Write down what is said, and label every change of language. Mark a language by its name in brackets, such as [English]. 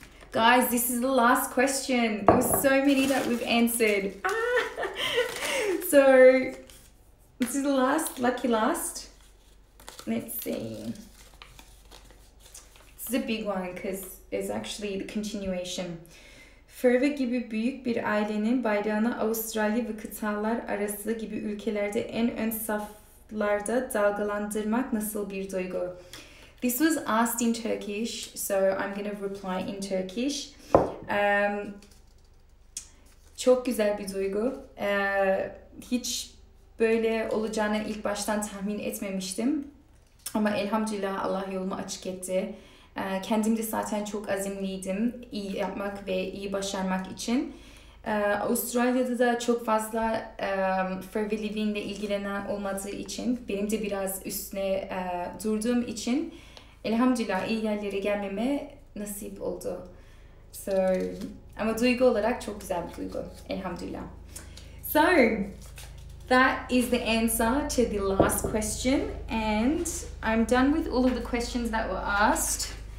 [English] Guys, this is the last question. There were so many that we've answered. Ah! So, this is the last, lucky last. Let's see. This is a big one, because it's actually the continuation. [Turkish] Forever gibi büyük bir ailenin bayrağını Avustralya ve kıtalar arası gibi ülkelerde en ön saflarda dalgalandırmak nasıl bir duygu? [English] This was asked in Turkish, so I'm going to reply in Turkish. [Turkish] Çok güzel bir duygu. Hiç böyle olacağını ilk baştan tahmin etmemiştim. Ama elhamdülillah Allah yolumu açık etti. Kendim de zaten çok azimliydim iyi yapmak ve iyi başarmak için. Avustralya'da da çok fazla Forever Living ile ilgilenen olmadığı için, benim de biraz üstüne durduğum için elhamdülillah iyi yerlere gelmeme nasip oldu. So, ama duygu olarak çok güzel bir duygu. Elhamdülillah. [English] So, that is the answer to the last question. And I'm done with all of the questions that were asked.